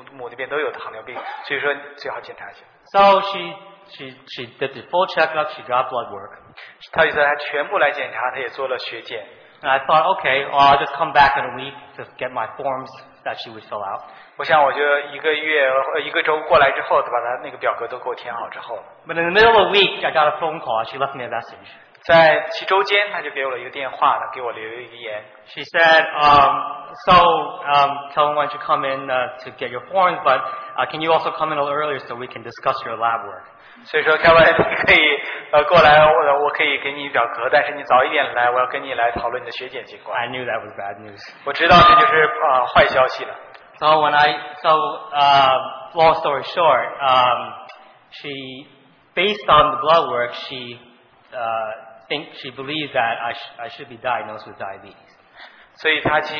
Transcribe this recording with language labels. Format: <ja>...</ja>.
<zh>那个我就跟她说，你就全部都检查，因为呢，我就告诉她我一切的事情，告诉她我父亲有糖尿病，我母亲那边祖母那边都有糖尿病，所以说最好检查一下。</zh> <en>So she did the full checkup, she got blood work.</en> <zh>她就说她全部来检查，她也做了血检。</zh> <en>And I thought, okay, well, I'll just come back in a week to get my forms that she would fill out.</en> <zh>我想我就一个月一个周过来之后，把她那个表格都给我填好之后。</zh> <en>But in the middle of the week, I got a phone call. She left me a message.</en> <zh>在其中间，他就给我了一个电话，给我留了一个言。</zh> <en>She said, tell him why don't you come in to get your forms, but can you also come in a little earlier so we can discuss your lab work?</en> <zh>所以说，Kevin，你可以过来，我可以给你表格，但是你早一点来，我要跟你来讨论你的血检情况。</zh> <en>I knew that was bad news.</en> <zh>我知道这就是坏消息了。</zh> <en>So when I long story short, she based on the blood work, she believes that I should be diagnosed with diabetes.</en>